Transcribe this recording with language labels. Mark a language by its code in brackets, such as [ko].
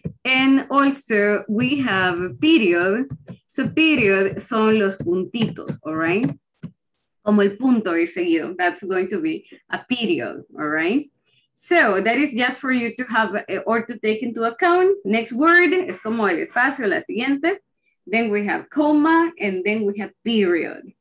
[en] And also we have period. So period [es] son los puntitos, [en] all right? [es] Como el punto y seguido. [en] That's going to be a period, all right? So that is just for you to have or to take into account. Next word [es] es como el espacio, la siguiente. [en] Then we have coma and then we have period.